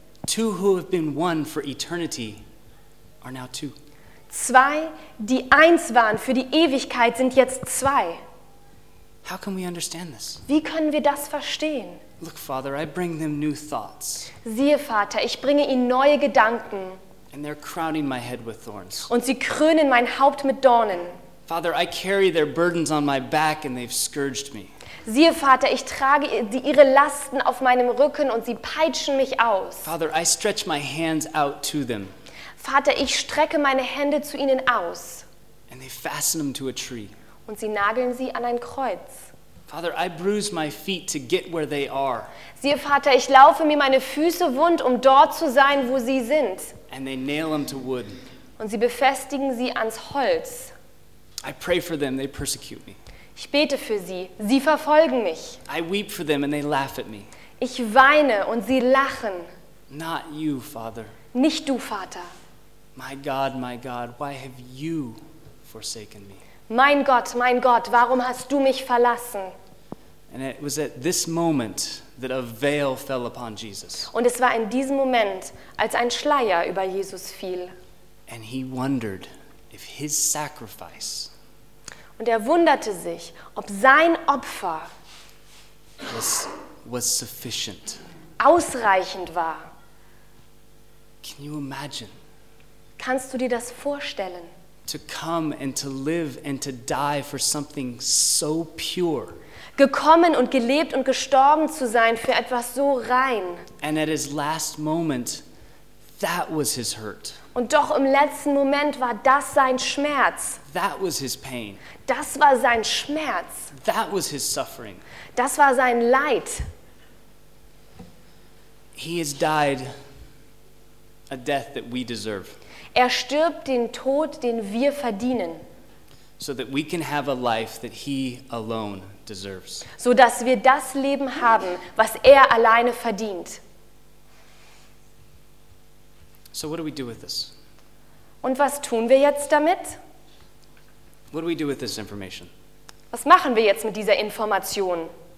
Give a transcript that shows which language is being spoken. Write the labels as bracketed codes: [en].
[en] Two who have been one for eternity are now two. [de] Zwei, die eins waren für die Ewigkeit, sind jetzt zwei. [en] How can we understand this? [de] Wie können wir das verstehen? [en] Look, Father, I bring them new thoughts. [de] Siehe, Vater, ich bringe ihnen neue Gedanken. [en] And they're crowning my head with thorns. [de] Und sie krönen mein Haupt mit Dornen. [en] Father, I carry their burdens on my back and they've scourged me. [de] Siehe, Vater, ich trage ihre Lasten auf meinem Rücken und sie peitschen mich aus. [en] Father, I stretch my hands out to them. [de] Vater, ich strecke meine Hände zu ihnen aus. [en] And they fasten them to a tree. [de] Und sie nageln sie an ein Kreuz. [en] Father, I bruise my feet to get where they are. [de] Siehe, Vater, ich laufe mir meine Füße wund, um dort zu sein, wo sie sind. [en] And they nail them to wood. [de] Und sie befestigen sie ans Holz. [en] I pray for them, they persecute me. [de] Ich bete für sie, sie verfolgen mich. [en] I weep for them and they laugh at me. [de] Ich weine und sie lachen. [en] Not you, Father. [de] Nicht du, Vater. [en] My God, why have you forsaken me? [de] Mein Gott, warum hast du mich verlassen? [en] And it was at this moment that a veil fell upon Jesus. [de] Und es war in diesem Moment, als ein Schleier über Jesus fiel. [en] And he wondered if his sacrifice. [de] Und er wunderte sich, ob sein Opfer [en] was sufficient. [de] Ausreichend war. [en] Can you imagine? [de] Kannst du dir das vorstellen? [en] To come and to live and to die for something so pure. [de] Gekommen und gelebt und gestorben zu sein für etwas so rein. [en] And at his last moment, that was his hurt. [de] Und doch im letzten Moment war das sein Schmerz. [en] That was his pain. [de] Das war sein Schmerz. [en] That was his suffering. [de] Das war sein Leid. [en] He has died a death that we deserve. [de] Er stirbt den Tod, den wir verdienen. [en] So that we can have a life that he alone deserves. [de] So dass wir das Leben haben, was er alleine verdient. [en] So what do we do with this? [de] Und was tun wir jetzt damit? [en] What do we do with this information? [de] Was machen wir jetzt mit dieser Information?